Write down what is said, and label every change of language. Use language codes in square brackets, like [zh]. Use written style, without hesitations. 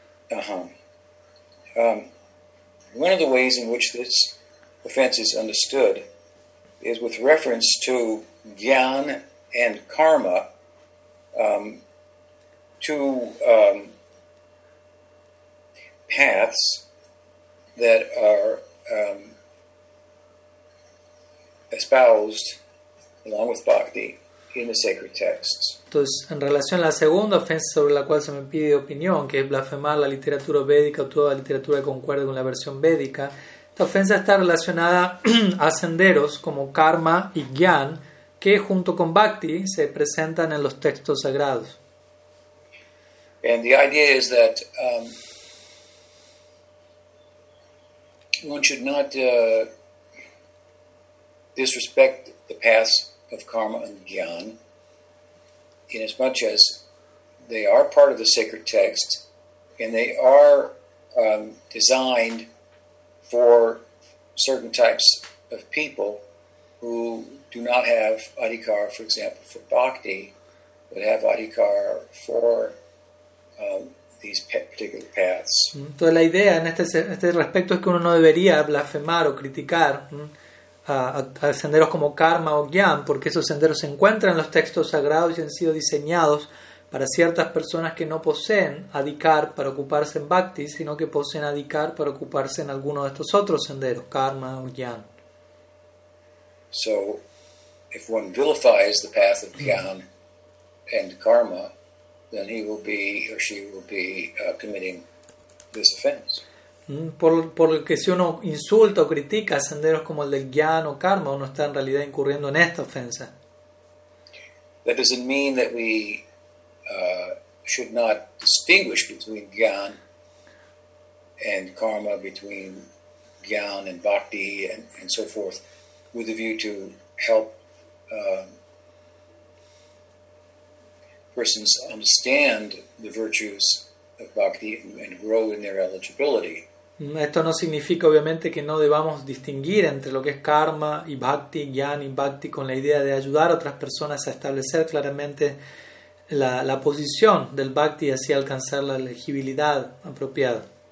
[en] One of the ways in which this offense is understood is with reference to jnana and karma, two paths that are espoused along with bhakti in the sacred texts. [es] Entonces, en relación a la segunda ofensa sobre la cual se me pide opinión, que es blasfemar la literatura védica o toda la literatura que concuerde con la versión védica, esta ofensa está relacionada a senderos como karma y jnana, que junto con bhakti se presentan en los textos sagrados. [en] And the idea is that one should not disrespect the paths of karma and jnana, inasmuch as they are part of the sacred text, and they are designed for certain types of people who do not have adhikar, for example, for bhakti, but have adhikar for these particular paths. [es] Entonces la idea en este respecto es que uno no debería blasfemar o criticar a senderos como karma o jnana, porque esos senderos se encuentran en los textos sagrados y han sido diseñados para ciertas personas que no poseen adhikar para ocuparse en bhakti, sino que poseen adhikar para ocuparse en alguno de estos otros senderos, karma o jnana. [en] So, if one vilifies the path of jnana and karma, then he will be or she will be committing this offense. [es] Por lo que si uno insulta o critica senderos como el del jnana o karma, uno está en realidad incurriendo en esta ofensa. [en] That doesn't mean that we should not distinguish between jnana and karma, between jnana and bhakti and so forth, with a view to help persons understand the virtues of bhakti and grow in their eligibility. [es] Esto no significa obviamente que no debamos distinguir entre lo que es karma y bhakti, jnana y bhakti, con la idea de ayudar a otras personas a establecer claramente la posición del bhakti y así alcanzar la elegibilidad apropiada.